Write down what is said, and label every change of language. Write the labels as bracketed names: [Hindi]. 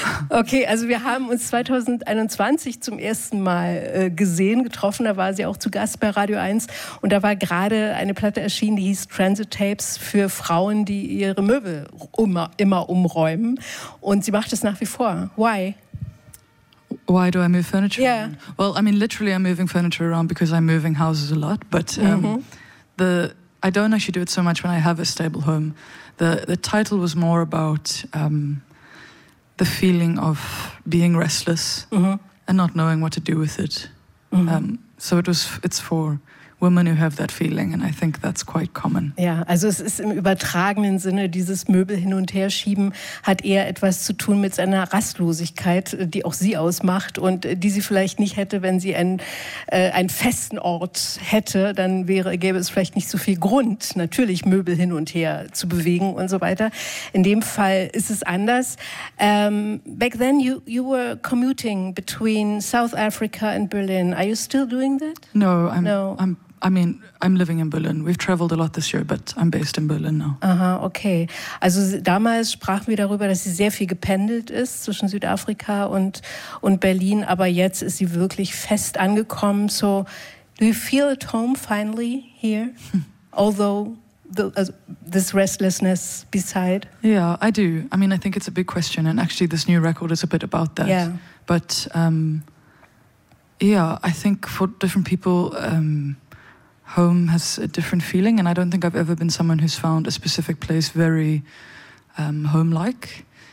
[German] Okay, also wir haben uns 2021 zum ersten Mal gesehen, getroffen. Da war sie auch zu Gast bei Radio 1. Und da war gerade eine Platte erschienen, die hieß Transit Tapes für Frauen, die ihre Möbel immer umräumen. Und sie macht es nach wie vor. [English] Why? Why do I move furniture? Yeah. Well, I mean, literally I'm moving furniture around because I'm moving houses a lot. But I don't actually do it so much when I have a stable home. The title was more about the feeling of being restless and not knowing what to do with it. Mm-hmm. So it's for women who have that feeling, and I think that's quite common. [German] Ja, also es ist im übertragenen Sinne, dieses Möbel hin und her schieben hat eher etwas zu tun mit seiner Rastlosigkeit, die auch sie ausmacht und die sie vielleicht nicht hätte, wenn sie einen festen Ort hätte, dann gäbe es vielleicht nicht so viel Grund, natürlich Möbel hin und her zu bewegen und so weiter. In dem Fall ist es anders. [English] Back then you were commuting between South Africa and Berlin. Are you still doing that? I'm living in Berlin. We've traveled a lot this year, but I'm based in Berlin now. [German] Aha, okay. Also damals sprachen wir darüber, dass sie sehr viel gependelt ist zwischen Südafrika und Berlin, aber jetzt ist sie wirklich fest angekommen. [English] So, do you feel at home finally here? Although this restlessness beside? Yeah, I do. I mean, I think it's a big question, and actually this new record is a bit about that. Yeah. But, I think for different people, home has a different feeling, and I don't think I've ever been someone who's found a specific place very home-like.